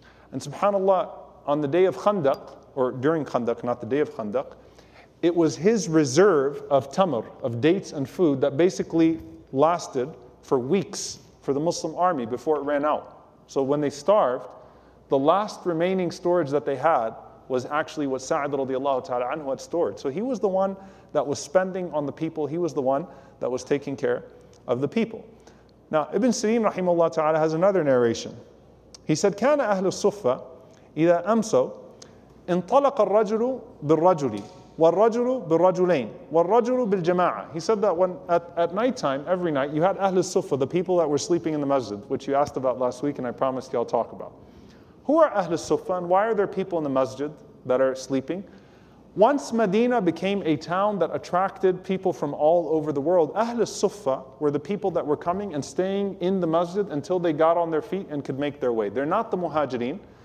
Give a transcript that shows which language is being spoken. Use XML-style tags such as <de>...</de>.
<en>And subhanAllah, on the day of Khandaq, or during Khandaq, not the day of Khandaq, it was his reserve of tamar, of dates and food, that basically lasted for weeks for the Muslim army before it ran out. So when they starved, the last remaining storage that they had was actually what Sa'd radiallahu ta'ala anhu had stored. So he was the one that was spending on the people. He was the one that was taking care of the people. Now, Ibn Sirin rahimahullah ta'ala has another narration. He said,</en> <ar>كَانَ أَهْلُ الصُّفَّةِ إِذَا أَمْسَوْا انطلق الرجل بالرجل والرجل بالرجلين والرجل بالجماعة.</ar> <en>He said that when at night time, every night, you had Ahlul Sufa, the people that were sleeping in the masjid, which you asked about last week and I promised you I'll talk about. Who are Ahlul Sufa and why are there people in the masjid that are sleeping? Once Medina became a town that attracted people from all over the world, Ahlul Sufa were the people that were coming and staying in the masjid until they got on their feet and could make their way. They're not the Muhajireen.</en>